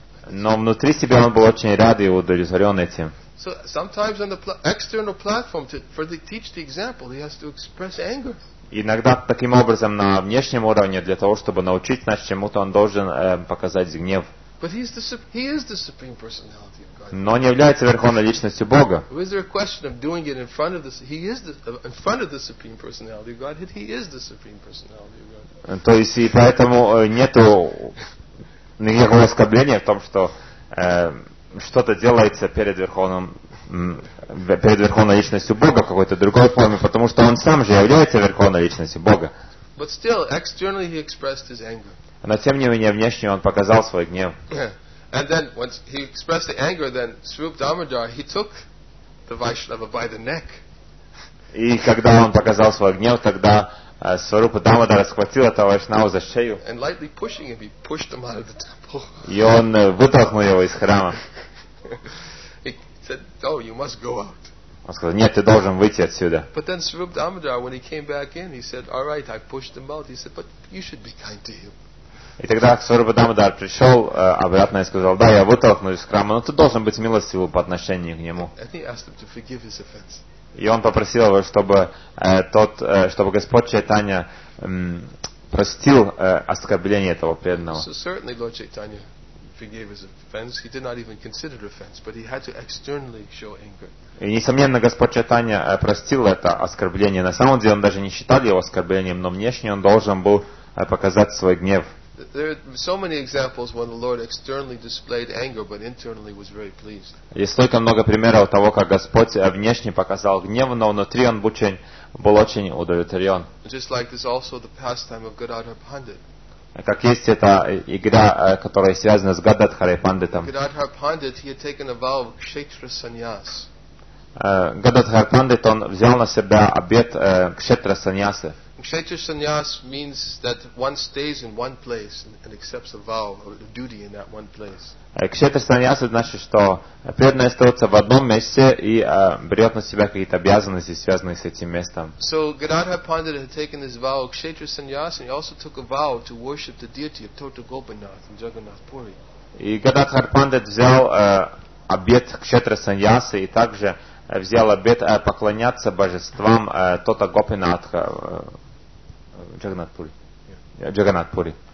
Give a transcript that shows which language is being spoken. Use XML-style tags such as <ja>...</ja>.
<ru>Но внутри себя он был очень рад и удовлетворен этим.</ru> <en>So sometimes on the external platform to teach the example, he has to express anger.</en> <ru>Иногда таким образом на внешнем уровне для того, чтобы научить нас чему-то, он должен показать гнев.</ru> <en>But he is the supreme personality of God.</en> <ru>Но он является верховной личностью Бога.</ru> <en>Is there a question of doing it in front of the supreme personality of God? He is the supreme personality of God.</en> <ru>То есть и поэтому нету никакого оскорбления в том, что что-то делается перед верховной личностью Бога в какой-то другой форме, потому что он сам же является верховной личностью Бога.</ru> <en>But still, externally he expressed his anger.</en> <ru>Но тем не менее внешне он показал свой гнев.</ru> <en>And then once he expressed the anger, then Swarup Damodar, he took the Vaishnava by the neck.</en> <ru>И когда он показал свой гнев, тогда Сварупа Дамодара схватил этого Вайшнаву за шею.</ru> <en>And lightly pushing him, he pushed him out of the temple.</en> <ru>И он вытолкнул его из храма.</ru> <en>He said, "No, you must go out."</en> <ru>Он сказал, нет, ты должен выйти отсюда.</ru> <en>But then Swarup Damodar, when he came back in, he said, "All right, I pushed him out." He said, "But you should be kind to him."</en> <ru>И тогда Сварупа Дамодар пришел обратно и сказал, да, я вытолкнул из храма, но ты должен быть милостивым по отношению к нему.</ru> <en>And he asked him to forgive his offense.</en> <ru>И он попросил его, чтобы Господь Чайтанья простил оскорбление этого преданного.</ru> <en>So certainly Lord Chaitanya forgave his offense. He did not even consider it offense, but he had to externally show anger.</en> <ru>И несомненно Господь Чайтанья простил это оскорбление. На самом деле он даже не считал его оскорблением, но внешне он должен был показать свой гнев.</ru> <en>There are so many examples when the Lord externally displayed anger, but internally was very pleased.</en> <ru>Есть столько много примеров того, как Господь внешне показал гнев, но внутри он был очень удовлетворен.</ru> <en>Just like this, also the pastime of Gadadhar Pandit.</en> <ru>Как есть эта игра, которая связана с Гададхарой Пандитом.</ru> <en>Gadadhar Pandit, he had taken a vow of Kshetra Sannyas.</en> <ru>Gadadhar Pandit, он взял на себя обет Кшетра Саньясы.</ru> <en>Kshetra Sannyas means that one stays in one place and accepts a vow or a duty in that one place.</en> <ru>Кшетра Саньяс значит, что преданный остается в одном месте и берет на себя какие-то обязанности, связанные с этим местом.</ru> <en>So Gadadhar Pandit had taken this vow of Kshetra Sannyas, and he also took a vow to worship the deity of Tota Gopinath in Jagannath Puri.</en> <ru>И Gadadhar Pandit взял обет Кшетра Саньяса и также взял обет поклоняться божествам Тота Гопинатха в Джаганатпури.</ru>